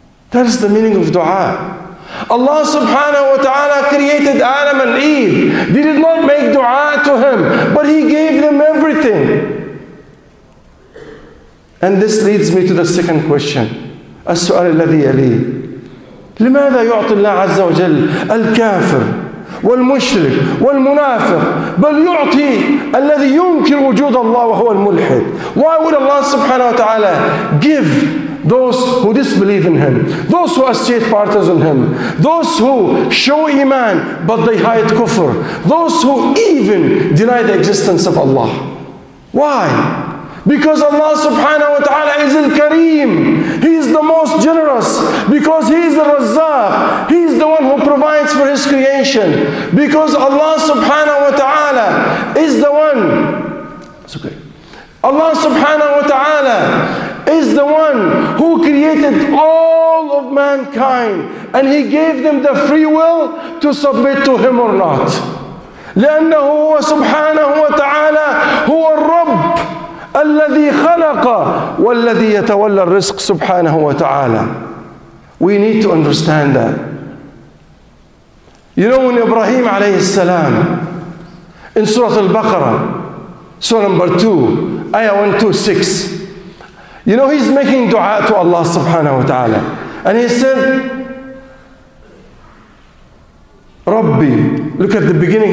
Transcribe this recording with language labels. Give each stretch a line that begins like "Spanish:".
English: That is the meaning of dua. Allah subhanahu wa ta'ala created Adam and Eve. They did not make dua to Him, but He gave them everything. And this leads me to the second question.
Arabic: السؤال الذي يليه. لماذا يعطي الله عز وجل الكافر والمشرك والمنافق بل يعطي الذي ينكر وجود الله وهو الملحد.
English: Why would Allah subhanahu wa ta'ala give those who disbelieve in Him, those who associate partners in Him, those who show iman but they hide kufr, those who even deny the existence of Allah? Why? Because Allah subhanahu wa ta'ala is al-kareem. He is the most generous. Because He is the razzaq. He is the one who provides for His creation. Because Allah subhanahu wa ta'ala is the one. It's okay. Allah subhanahu wa ta'ala is the one who created all of mankind. And He gave them the free will to submit to Him or not.
Arabic: لأنه هو سبحانه وتعالى هو الرب الذي خلق والذي يتولى الرزق سبحانه وتعالى.
English: We need to understand that. You know, when Ibrahim عليه السلام in Surah Al-Baqarah, Surah number 2, Ayah 126, you know, he's making dua to Allah سبحانه وتعالى. And he said, Rabbi, look at the beginning.